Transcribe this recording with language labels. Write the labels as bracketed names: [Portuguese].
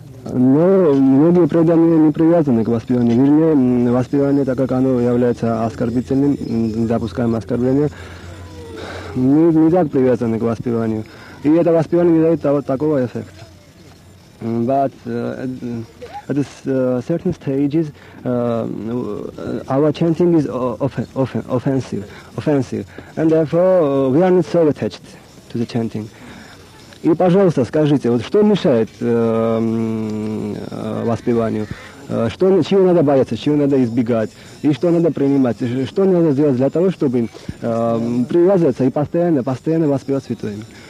[Russian] Но многие преданные не привязаны к воспеванию. Вернее, воспевание, так как оно является оскорбительным, допускаем оскорбление, мы не так привязаны к воспеванию. И это воспевание не дает того, такого эффекта. [English] But at certain stages, our chanting is offensive, and therefore we are not so attached to the chanting. [Russian] И, пожалуйста, скажите, вот что мешает воспеванию? Чего надо бояться, чего надо избегать, и что надо принимать, что надо сделать для того, чтобы привязываться и постоянно воспевать святое имя?